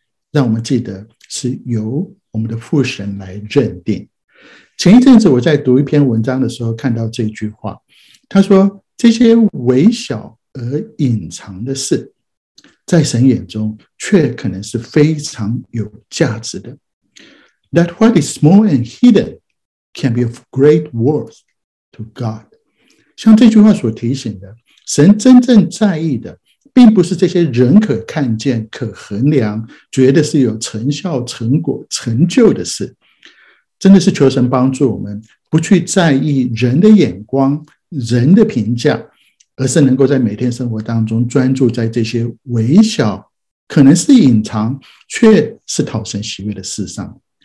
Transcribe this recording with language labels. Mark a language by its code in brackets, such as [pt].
[zh] 让我们记得是由我们的父神来认定。前一阵子我在读一篇文章的时候看到这句话，他说这些微小而隐藏的事，在神眼中却可能是非常有价值的。 [en] That what is small and hidden can be of great worth to God。 [zh] 像这句话所提醒的，神真正在意的并不是这些人可看见、可衡量、觉得是有成效、成果、成就的事。真的是求神帮助我们不去在意人的眼光、人的评价，而是能够在每天生活当中专注在这些微小、可能是隐藏却是讨神喜悦的事上。